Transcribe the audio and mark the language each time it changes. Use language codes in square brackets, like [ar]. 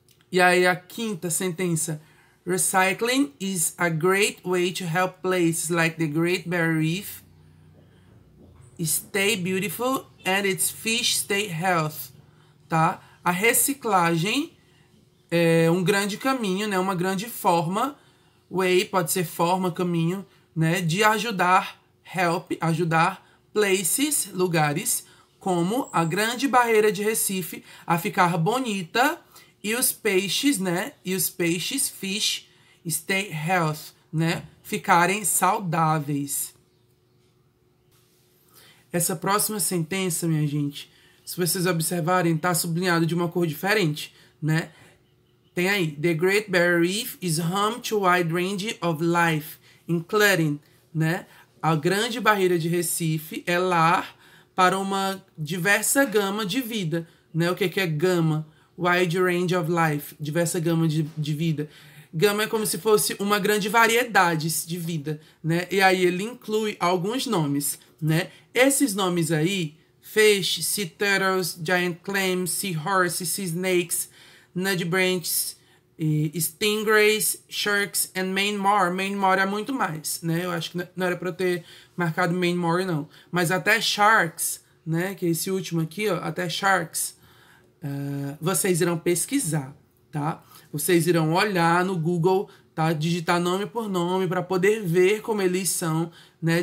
[pt] E aí a quinta sentença: [en] Recycling is a great way to help places like the Great Barrier Reef stay beautiful and its fish stay healthy, tá? [pt] A reciclagem é um grande caminho, né? Uma grande forma, way pode ser forma, caminho, né? De ajudar, help, ajudar places, lugares, como a Grande Barreira de Recife a ficar bonita e os peixes, né? E os peixes, [en] fish, stay healthy, [pt] né? Ficarem saudáveis. Essa próxima sentença, minha gente. Se vocês observarem, tá sublinhado de uma cor diferente, né? Tem aí: [en] The Great Barrier Reef is home to a wide range of life, including, né? [pt] A Grande Barreira de Recife é lar para uma diversa gama de vida, né? O que é gama? [en] Wide range of life, [pt] diversa gama de vida. Gama é como se fosse uma grande variedade de vida, né? E aí ele inclui alguns nomes, né? Esses nomes aí: [en] fish, sea turtles, giant clams, seahorses, sea snakes, nudibranchs, stingrays, sharks and Maine Moor. [pt] Maine Moor é muito mais, né? Eu acho que não era para ter marcado Maine Moor, não. Mas até sharks, né? Que é esse último aqui, ó, até sharks, vocês irão pesquisar, tá? Vocês irão olhar no Google, tá? Digitar nome por nome para poder ver como eles são, né?